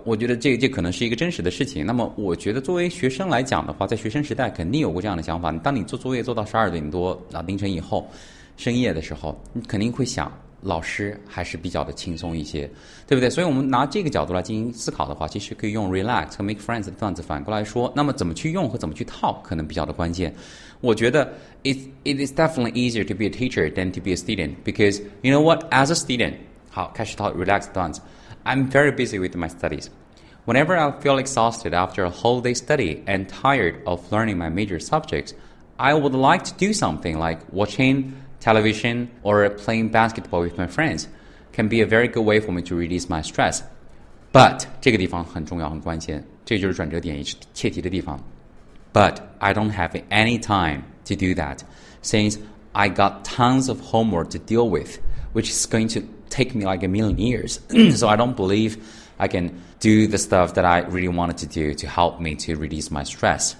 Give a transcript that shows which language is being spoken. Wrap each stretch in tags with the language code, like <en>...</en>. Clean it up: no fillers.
<zh>我觉得这可能是一个真实的事情。那么我觉得作为学生来讲的话，在学生时代肯定有过这样的想法，当你做作业做到12点多啊，凌晨以后深夜的时候，你肯定会想老师还是比较的轻松一些，对不对？所以我们拿这个角度来进行思考的话，其实可以用 relax 和 make friends 的段子反过来说。那么怎么去用和怎么去套可能比较的关键。我觉得</zh> <en>it is definitely easier to be a teacher than to be a student, because you know what, as a student,</en> <zh>好，开始套 relax 的段子。</zh> <en>I'm very busy with my studies. Whenever I feel exhausted after a whole day study and tired of learning my major subjects, I would like to do something like watchingtelevision or playing basketball with my friends can be a very good way for me to release my stress.</en> <zh>But, 这个地方很重要，很关键，这就是转折点，也是切题的地方。</zh> <en>But, I don't have any time to do that, since I got tons of homework to deal with, which is going to take me like a million years. So I don't believe I can do the stuff that I really wanted to do to help me to release my stress.</en>